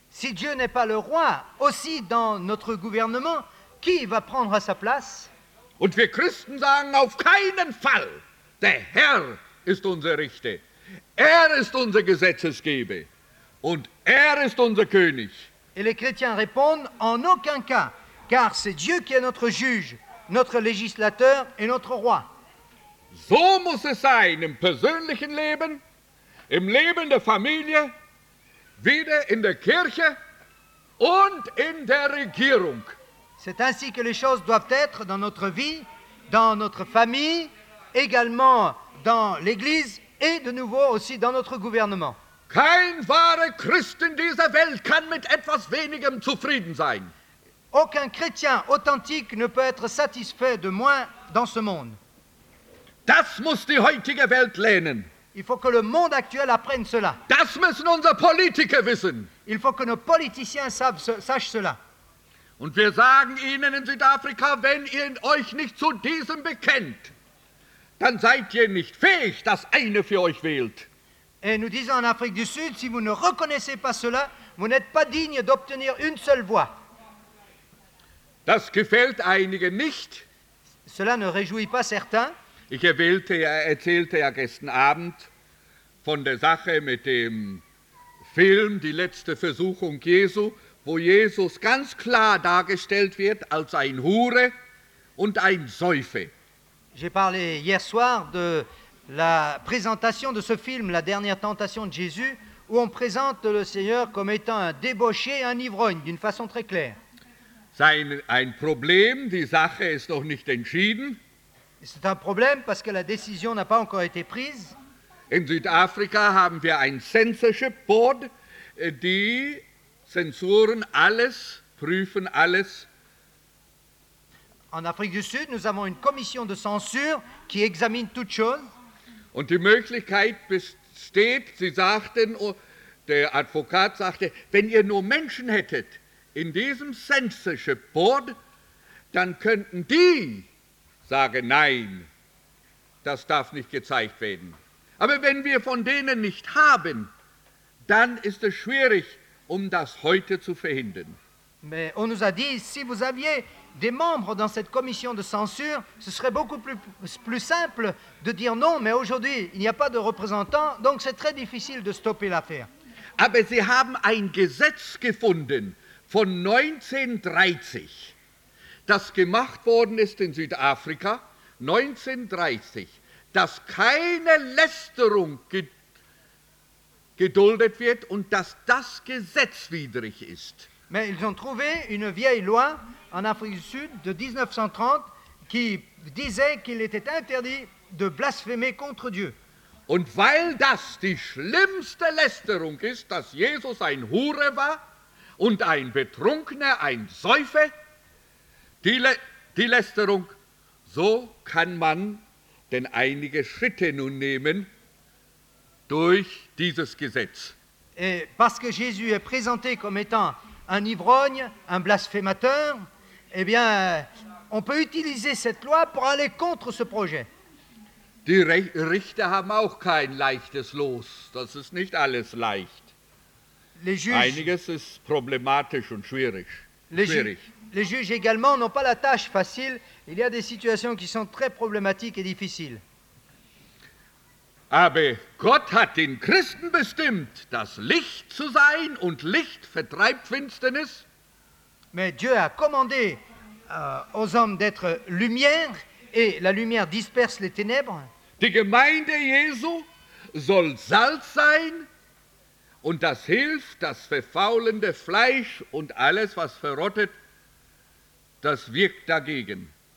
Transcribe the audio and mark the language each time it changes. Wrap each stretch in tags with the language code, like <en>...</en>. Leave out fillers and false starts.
<fr>Si Dieu n'est pas le roi, aussi dans notre gouvernement, qui va prendre sa place?</fr> <de>Und wir Christen sagen auf keinen Fall, der Herr ist unser Richter. Er ist unser Gesetzesgeber und er ist unser König.</de> <fr>Et les chrétiens répondent en aucun cas, car c'est Dieu qui est notre juge, notre législateur et notre roi.</fr> <de>So muss es sein im persönlichen Leben, im Leben der Familie, wieder in der Kirche und in der Regierung.</de> <fr>C'est ainsi que les choses doivent être dans notre vie, dans notre famille, également dans l'Église et de nouveau aussi dans notre gouvernement.</fr> <de>Kein wahrer Christ in dieser Welt kann mit etwas Wenigem zufrieden sein.</de> <fr>Aucun chrétien authentique ne peut être satisfait de moins dans ce monde.</fr> <de>Das muss die heutige Welt lernen.</de> <fr>Il faut que le monde actuel apprenne cela.</fr> <de>Das müssen unsere Politiker wissen.</de> <fr>Il faut que nos politiciens sachent cela.</fr> <de>Und wir sagen ihnen in Südafrika, wenn ihr euch nicht zu diesem bekennt, dann seid ihr nicht fähig, dass eine für euch wählt.</de> <fr>Et nous disons en Afrique du Sud, si vous ne reconnaissez pas cela, vous n'êtes pas digne d'obtenir une seule voix.</fr> <de>Das gefällt einigen nicht.</de> <fr>Cela ne réjouit pas certains.</fr> <de>Ich erzählte ja gestern Abend von der Sache mit dem Film Die letzte Versuchung Jesu, wo Jesus ganz klar dargestellt wird als ein Hure und ein Säufer.</de> <fr>J'ai parlé hier soir de la présentation de ce film La dernière tentation de Jésus, où on présente le Seigneur comme étant un débauché, un ivrogne, d'une façon très claire.</fr> <de>Sein ein Problem, die Sache ist noch nicht entschieden.</de> <fr>C'est un problème parce que la décision n'a pas encore été prise.</fr> <de>In Südafrika haben wir ein Censorship Board, die Zensuren alles prüfen alles.</de> <fr>En Afrique du Sud, nous avons une commission de censure qui examine toute chose.</fr> <de>Und die Möglichkeit besteht, sie sagten, der Advokat sagte, wenn ihr nur Menschen hättet in diesem Censorship Board, dann könnten die sagen, nein, das darf nicht gezeigt werden. Aber wenn wir von denen nicht haben, dann ist es schwierig, um das heute zu verhindern.</de> <fr>Mais on nous a dit, si vous aviez des membres dans cette commission de censure, ce serait beaucoup plus simple de dire non, mais aujourd'hui, il n'y a pas de représentants, donc c'est très difficile de stopper l'affaire.</fr> <de>Aber sie haben ein Gesetz gefunden von 1930, das gemacht worden ist in Südafrika, 1930, dass keine Lästerung geduldet wird und dass das gesetzwidrig ist.</de> <fr>Mais ils ont trouvé une vieille loi en Afrique du Sud de 1930 qui disait qu'il était interdit de blasphémer contre Dieu.</fr> <de>Und weil das die schlimmste Lästerung ist, dass Jesus ein Hure war und ein Betrunkener, ein Säufer, die Lästerung, So kann man denn einige Schritte nun nehmen durch dieses Gesetz.</de> <fr>Et parce que Jésus est présenté comme étant un ivrogne, un blasphémateur, eh bien, on peut utiliser cette loi pour aller contre ce projet.</fr> <de>Die Richter haben auch kein leichtes Los. Das ist nicht alles leicht.</de> <fr>Les juges,</fr> <de>einiges ist problematisch und schwierig.</de> <fr>Les juges également n'ont pas la tâche facile. Il y a des situations qui sont très problématiques et difficiles.</fr> <de>Aber Gott hat den Christen bestimmt, das Licht zu sein, und Licht vertreibt Finsternis.</de> <fr>Mais Dieu a commandé aux hommes d'être lumière, et la lumière disperse les ténèbres.</fr> <de>Die Gemeinde Jesu soll Salz sein, und das hilft, das verfaulende Fleisch und alles, was verrottet, das wirkt dagegen.</de>